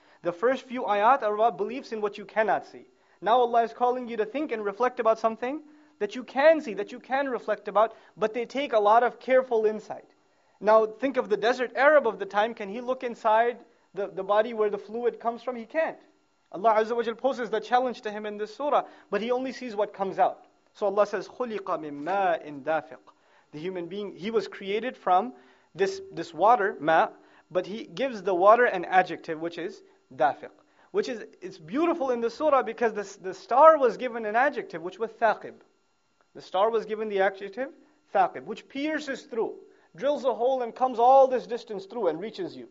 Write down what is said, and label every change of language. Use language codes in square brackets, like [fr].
[en] The first few ayat are about beliefs in what you cannot see. Now Allah is calling you to think and reflect about something that you can see, that you can reflect about, but they take a lot of careful insight. Now think of the desert Arab of the time. Can he look inside the body where the fluid comes from? He can't. Allah Azza wa Jal poses the challenge to him in this surah, but he only sees what comes out. So Allah says, [ar] خُلِقَ مِن مَاءٍ دَافِقٍ. [en] The human being, he was created from this water, ma, but he gives the water an adjective, which is dafiq. Which is, it's beautiful in the surah because the star was given an adjective, which was thaqib. The star was given the adjective thaqib, which pierces through, drills a hole and comes all this distance through and reaches you.